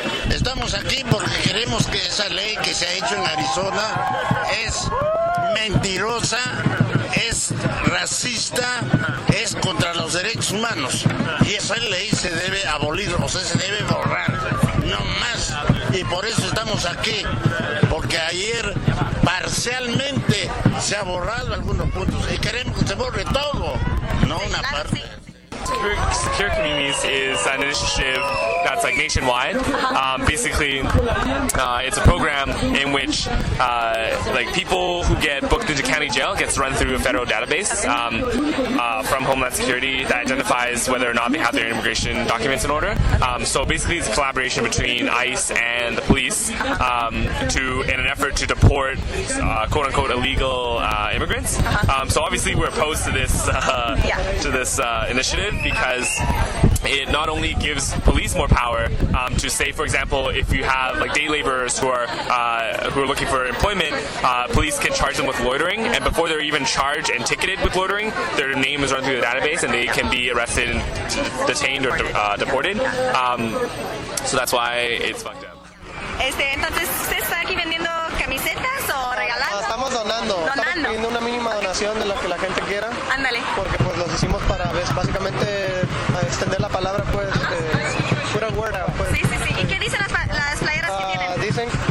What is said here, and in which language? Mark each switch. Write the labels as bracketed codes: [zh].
[es] Estamos aquí porque queremos que esa ley que se ha hecho en Arizona es mentirosa, es racista, es contra los derechos humanos. Y esa ley se debe abolir, o sea, se debe borrar, no más. Y por eso estamos aquí, porque ayer parcialmente se ha borrado algunos puntos y queremos que se borre todo, no una parte. [en] Secure Communities is an initiative that's like nationwide. Basically, it's a program in which like people who get booked into county jail gets run through a federal database from Homeland Security that identifies whether or not they have their immigration documents in order. So basically, it's a collaboration between ICE and the police in an effort to deport quote-unquote illegal immigrants. So obviously, we're opposed to this initiative. Because it not only gives police more power to say, for example, if you have like day laborers who are looking for employment, police can charge them with loitering, and before they're even charged and ticketed with loitering, their name is run through the database, and they can be arrested, detained, or deported. So that's why it's fucked up. [es] Entonces, ¿usted está aquí vendiendo camisetas o regalando? Estamos donando. Estamos pidiendo una mínima donación de la que la gente quiera. Ándale. Porque pues los hicimos para básicamente extender la palabra, pues, pura huerta. Pues. Sí, sí, sí. ¿Y qué dicen las playeras que tienen?